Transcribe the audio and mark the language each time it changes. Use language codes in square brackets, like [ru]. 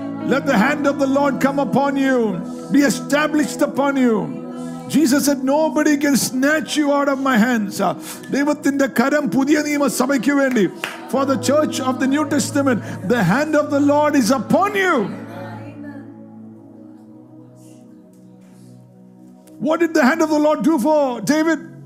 [en] Let the hand of the Lord come upon you. Be established upon you. Jesus said, nobody can snatch you out of my hands. [ml] ദൈവത്തിന്റെ കരം പുതിയ നിയമ സഭയ്ക്ക് വേണ്ടി. [en] For the church of the New Testament, the hand of the Lord is upon you. What did the hand of the Lord do for David?